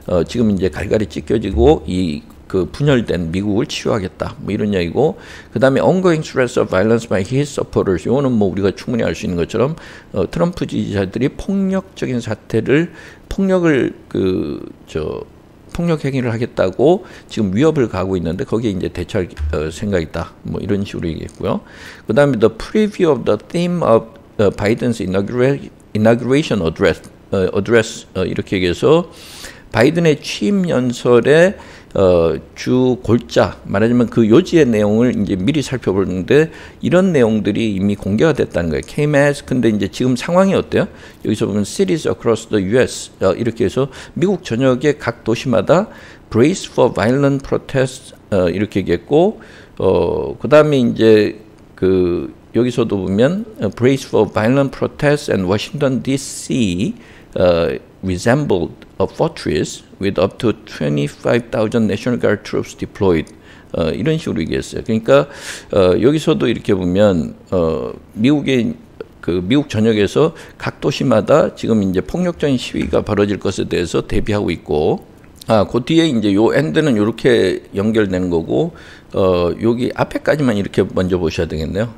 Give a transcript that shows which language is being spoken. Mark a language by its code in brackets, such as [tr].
[ko] 지금 이제 갈갈이 찢겨지고 이 그 분열된 미국을 치유하겠다 뭐 이런 이야기고 그 다음에 [en] ongoing threats of violence by his supporters [ko] 이거는 뭐 우리가 충분히 알 수 있는 것처럼 트럼프 지지자들이 폭력적인 사태를 폭력을 그 저 폭력 행위를 하겠다고 지금 위협을 가하고 있는데 거기에 이제 대처할 생각이다 뭐 이런 식으로 얘기했고요. 그 다음에 [en] the preview of the theme of Biden's inauguration address [ko] 이렇게 얘기해서 바이든의 취임 연설에 주 골자, 말하자면 그 요지의 내용을 이제 미리 살펴보는데 이런 내용들이 이미 공개가 됐다는 거예요. [en] Came as, [ko] 근데 이제 지금 상황이 어때요? 여기서 보면 [en] cities across the US, [ko] 이렇게 해서 미국 전역의 각 도시마다 [en] brace for violent protests, [ko] 이렇게 얘기했고, 그 다음에 이제 그 여기서도 보면 [en] brace for violent protests and Washington DC resembled a fortress with up to 25,000 National Guard troops deployed. [ko] 이런 식으로 얘기했어요. 그러니까 여기서도 이렇게 보면 미국의 그 미국 전역에서 각 도시마다 지금 이제 폭력적인 시위가 벌어질 것에 대해서 대비하고 있고, 그 뒤에 이제 요 엔드는 이렇게 연결되는 거고, 여기 앞에까지만 이렇게 먼저 보셔야 되겠네요.